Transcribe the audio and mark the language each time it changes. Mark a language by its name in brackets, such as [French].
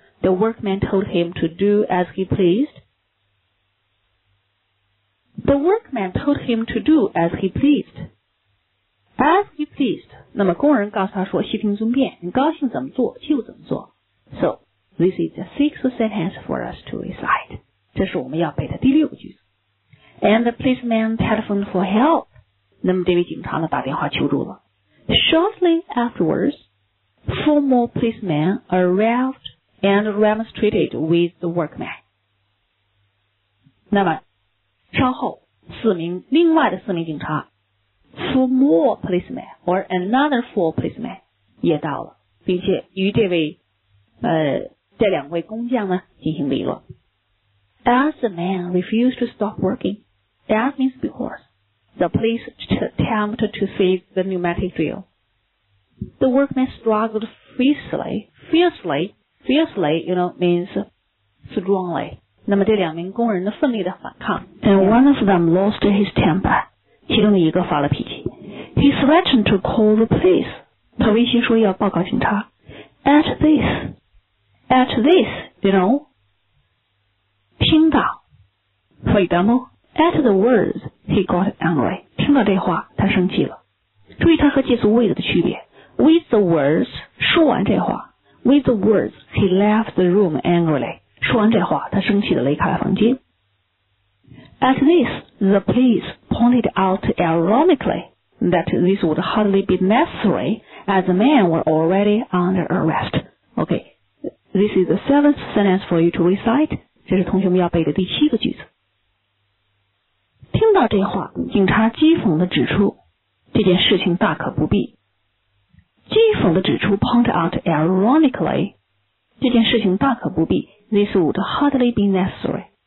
[English] The workman told him to do as he pleased. The workman told him to do as he pleased. As you pleased, [Chinese] 那么工人告诉他说悉听尊便，你高兴怎么做就怎么做。 [English] So, this is the sixth sentence for us to recite. [Chinese] 这是我们要背的第六句。 [English] And the policeman telephoned for help. [Chinese] 那么这位警察呢打电话求助了。 [English] Shortly afterwards, four more policemen arrived and remonstrated with the workman. [Chinese] 那么稍后另外的四名警察 [English] Four more policemen or another four policemen [Chinese] 也到了，并且与这两位工匠呢进行理论。 [English] As the man refused to stop working, as means because, the police attempted to seize the pneumatic drill. The workman struggled fiercely, you know, means strongly. [Chinese] 那么这两名工人的奋力的反抗。 [English] And one of them lost his temper. [Chinese] 其中的一个发了脾气。 [English] He threatened to call the police. [Chinese] 他威胁说要报告警察。 [English] At this, you know, 听到 for example, at the words, he got angry. [Chinese] 听到这话他生气了。注意他和介词 with 的区别。 [English] With the words, [Chinese] 说完这话。 [English] With the words, he left the room angrily. [Chinese] 说完这话他生气的离开了房间。 [English] At this, the police pointed out ironically that this would hardly be necessary as the men were already under arrest. Okay, this is the seventh sentence for you to recite. [Chinese] 这是同学们要背的第七个句子。听到这话，警察讥讽地指出这件事情大可不必。讥讽地指出 [English] point out ironically [Chinese] 这件事情大可不必 [English] this would hardly be necessary.